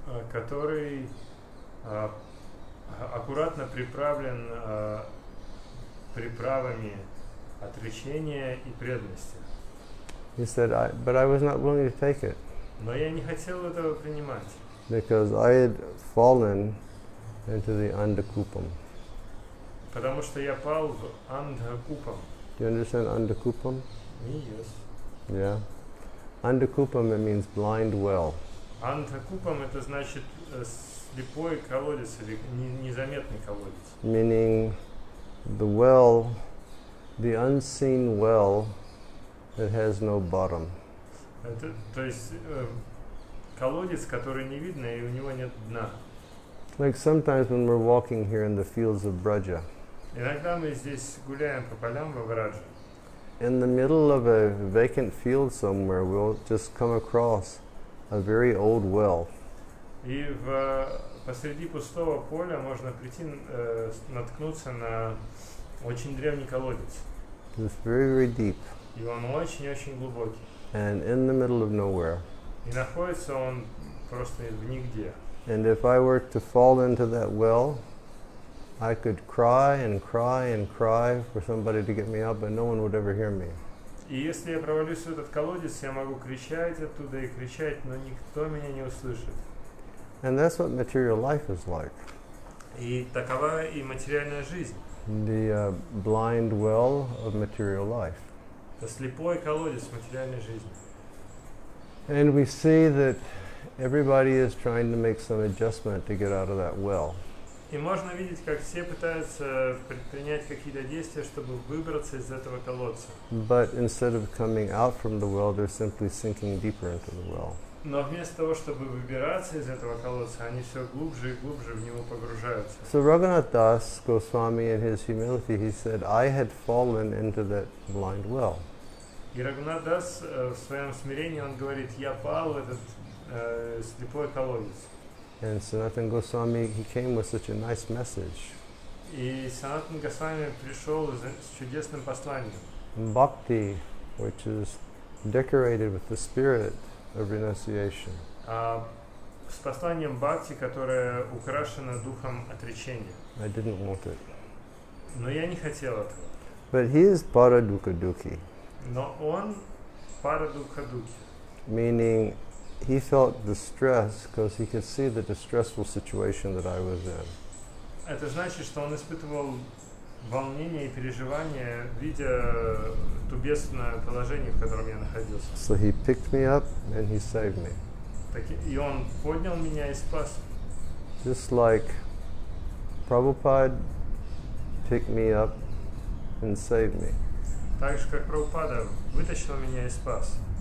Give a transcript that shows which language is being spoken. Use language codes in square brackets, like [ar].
[ru] Который аккуратно приправлен приправами отречения и преданности. [en] He said, but I was not willing to take it. [ru] Но я не хотел этого принимать. [en] Because I had fallen into the Andhakupam. [ru] Потому что я пал в Andhakupam. [en] Do you understand Andhakupam? Yes. Yeah. Andhakupam, it means blind well. [ru] Andhakupam, это значит слепой колодец или незаметный колодец. [en] Meaning the well, the unseen well that has no bottom. [ru] Это, то есть колодец, который не видно и у него нет дна. [en] Like sometimes when we're walking here in the fields of Braja. [ru] Иногда мы здесь гуляем по полям во Враже. [en] In the middle of a vacant field somewhere, we'll just come across a very old well. [ru] И в посреди пустого поля можно прийти наткнуться на очень древний колодец. [en] It's very, very deep. [ru] И он очень-очень глубокий. [en] And in the middle of nowhere. [ru] И находится он просто в нигде. [en] And if I were to fall into that well, I could cry and cry and cry for somebody to get me out, but no one would ever hear me. [ru] И если я провалюсь в этот колодец, я могу кричать оттуда и кричать, но никто меня не услышит. [en] And that's what material life is like. [ru] И такова и материальная жизнь. [en] The blind well of material life. [ru] Это слепой колодец материальной жизни. [en] And we see that everybody is trying to make some adjustment to get out of that well. [ru] И можно видеть, как все пытаются предпринять какие-то действия, чтобы выбраться из этого колодца. [en] But instead of coming out from the well, they're simply sinking deeper into the well. [ru] Но вместо того, чтобы выбираться из этого колодца, они все глубже и глубже в него погружаются. [en] So Raghunath Das Goswami, in his humility, he said, I had fallen into that blind well. [ru] И Рагунат Дас в своем смирении, он говорит, я пал в этот слепой колодец. [en] And Sanatana Goswami, he came with such a nice message. [ru] И Санатан Госвами пришел с чудесным посланием. [en] Bhakti, which is decorated with the spirit of renunciation. [ru] С посланием бхакти, которое украшено духом отречения. [en] I didn't want it. [ru] Но я не хотел этого. [en] But he is Парадукадуки. [ru] Но он Парадукадуки. [en] Meaning, he felt distress because he could see the distressful situation that I was in. [ru] Это значит, что он испытывал волнение и переживания, видя то бедственное положение, в котором я находился. [en] So he picked me up and he saved me. [ru] Так и он поднял меня и спас. [en] Just like Prabhupada picked me up and saved me. [ru] Так же, как Прабхупада вытащил меня и спас.